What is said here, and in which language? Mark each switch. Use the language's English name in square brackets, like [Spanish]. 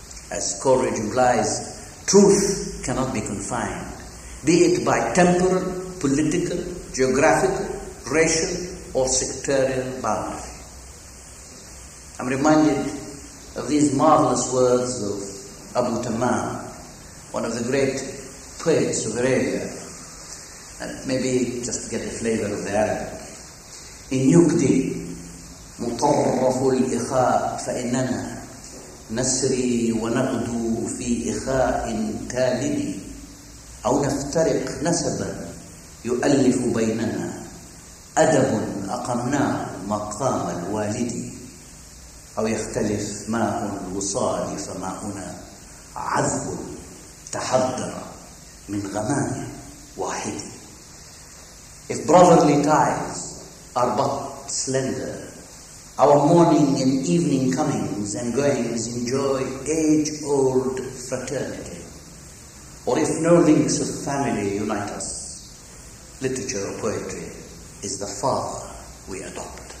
[English] As Coleridge implies, truth cannot be confined, be it by temporal, political, geographical, racial, or sectarian boundary. I'm reminded of these marvelous words of Abu Tamam, one of the great poets of Arabia, and maybe just to get the flavor of the Arabic. [Arabic] "In Yukdi, مطرف الإخاء فإننا نسري ونغدو في إخاء تالدي أو نفترق نسبا يؤلف بيننا أدب أقمنا مقام الوالد أو يختلف ماء الوصال فماؤنا عذب تحضر من غمام واحد." [English] If brotherly ties are but slender, our morning and evening comings and goings enjoy age-old fraternity. Or if no links of family unite us, literature or poetry is the father we adopt.